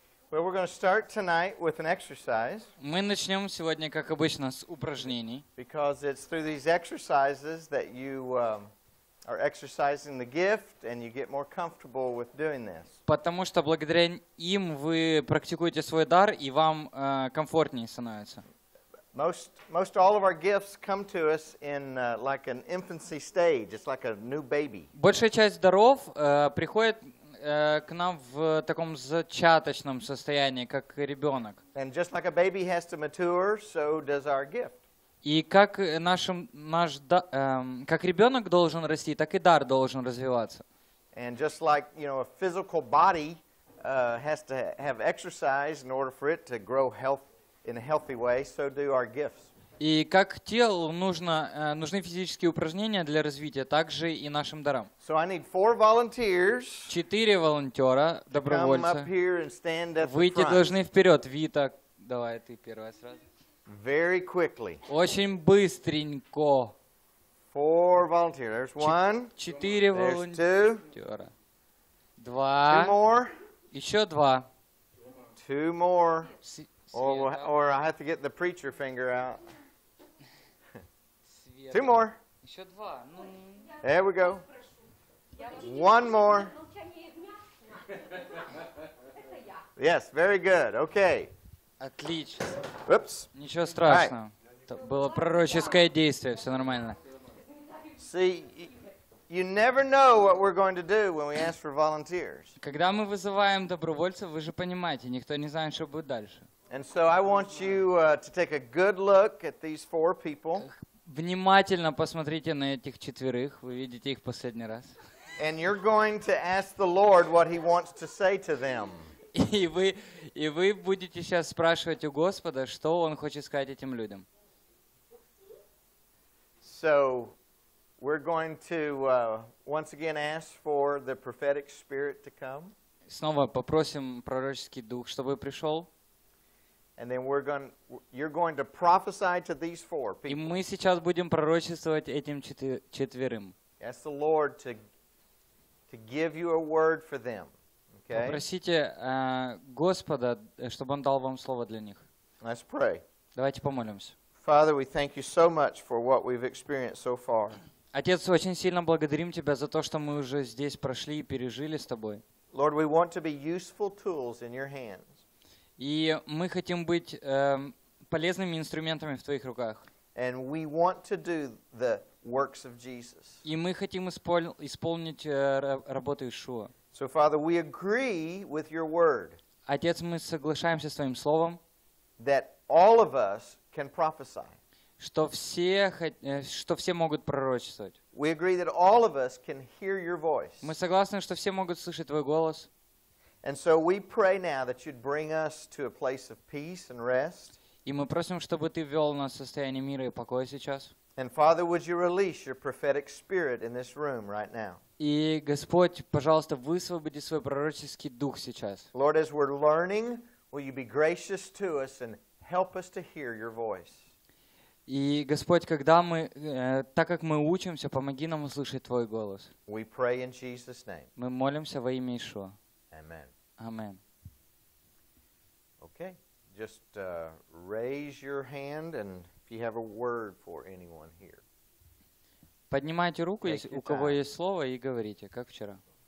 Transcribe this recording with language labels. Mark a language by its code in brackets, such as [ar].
[en] Well, we're going to start tonight with an exercise. [ru] Мы начнем сегодня, как обычно, с упражнений. [en] Because it's through these exercises that you are exercising the gift, and you get more comfortable with doing this. [ru] Потому что благодаря им вы практикуете свой дар, и вам комфортнее становится. [en] Most all of our gifts come to us in like an infancy stage. It's like a new baby. [ru] Большая часть даров приходит к нам в таком зачаточном состоянии, как ребенок. [en] And just like a baby has to mature, so does our gift. [ru] И как как ребенок должен расти, так и дар должен развиваться. [en] And just like, you know, a physical body has to have exercise in order for it to grow health in a healthy way, so do our gifts. [ru] И как телу нужны физические упражнения для развития, так же и нашим дарам. [en] So I need 4 volunteers. [ru] 4 волонтера, добровольца. [en] Come up here and stand at the front. [ru] Выйти должны вперед, Вита. Давай ты первая сразу. [en] Very quickly. [ru] Очень быстренько. [en] 4 volunteers. There's 1. [ru] 4 волонтера. 2. [en] Two more. [ru] Еще 2. [en] 2 more. Or I have to get the preacher finger out. Two more. [ru] Еще 2. [en] There we go. 1 more. Yes, very good. Okay. [ru] Отлично. [en] Oops. [ru] Ничего страшного. [en] Right. [ru] Это было пророческое действие, все нормально. [en] See, you never know what we're going to do when we ask for volunteers. [ru] Когда мы вызываем добровольцев, вы же понимаете, никто не знает, что будет дальше. [en] And so I want you to take a good look at these 4 people. [ru] Внимательно посмотрите на этих четверых. Вы видите их последний раз. [en] And you're going to ask the Lord what He wants to say to them. [ru] И вы будете сейчас спрашивать у Господа, что Он хочет сказать этим людям. [en] So we're going to once again ask for the prophetic spirit to come. [ru] Снова попросим пророческий дух, чтобы пришел. [en] And then you're going to prophesy to these 4 people. [ru] И мы сейчас будем пророчествовать этим четверым. [en] Ask the Lord to give you a word for them. Okay. [ru] Попросите Господа, чтобы Он дал вам слово для них. [en] Let's pray. [ru] Давайте помолимся. [en] Father, we thank you so much for what we've experienced so far. [ru] Отец, очень сильно благодарим тебя за то, что мы уже здесь прошли и пережили с тобой. [en] Lord, we want to be useful tools in your hands. [ru] И мы хотим быть полезными инструментами в твоих руках. [en] And we want to do the works of Jesus. [ru] И мы хотим исполнить работу Иешуа. [en] So, Father, we agree with your word. [ru] Отец, мы соглашаемся с твоим словом. [en] That all of us can prophesy. [ru] Что все могут пророчествовать. [en] We agree that all of us can hear your voice. [ru] Мы согласны, что все могут слышать твой голос. [en] And so we pray now that you'd bring us to a place of peace and rest. [ru] И мы просим, чтобы ты ввел нас в состояние мира и покоя сейчас. [en] And Father, would you release your prophetic spirit in this room right now? [ru] И Господь, пожалуйста, высвободи свой пророческий дух сейчас. [en] Lord, as we're learning, will you be gracious to us and help us to hear your voice? [ru] И Господь, когда мы, так как мы учимся, помоги нам услышать твой голос. [en] We pray in Jesus' name. [ru] Мы молимся во имя Иешуа. [en] Amen. Amen. Okay, just raise your hand, and if you have a word for anyone here. [ru] Поднимайте руку, если у кого есть слово, и говорите, как вчера.